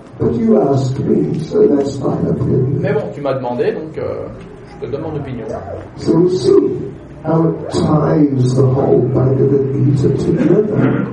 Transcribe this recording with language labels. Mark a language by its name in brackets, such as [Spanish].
[English] But you asked me, so that's my opinion. [French] Mais bon, tu m'as demandé, donc je te donne mon opinion. [English] So we'll see how it ties the whole Bhagavad Gita together.